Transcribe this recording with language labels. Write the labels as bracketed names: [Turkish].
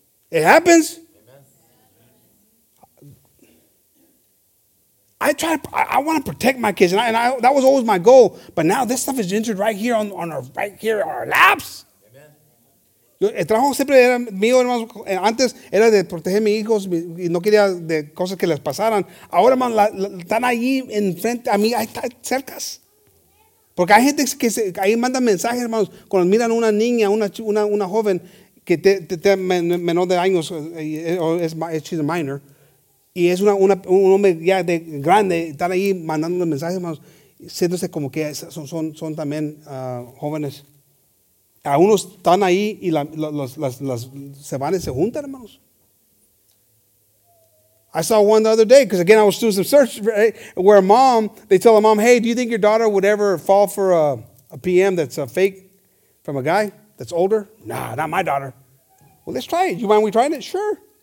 [English] It happens. I want to protect my kids, and I that was always my goal. But now this stuff is entered right here on our laps. Amen. [Spanish] El trabajo siempre era mío, hermanos. Antes era de proteger mis hijos y no quería de cosas que les pasaran. Ahora, hermanos, están allí enfrente a mí, ahí cerca. Porque hay gente que ahí manda mensajes, hermanos, cuando miran una niña, una joven que te menor de años, [English] she's a minor. [Spanish] Y es un hombre ya de grande, están ahí mandando mensajes, hermanos, siéntose como que son también jóvenes. Algunos están ahí y las se van y se juntan, hermanos. [English] I saw one the other day, because again, I was doing some search, right, where a mom, they tell a mom, hey, do you think your daughter would ever fall for a PM that's a fake from a guy that's older? Nah, not my daughter. Well, let's try it. You mind we trying it? Sure.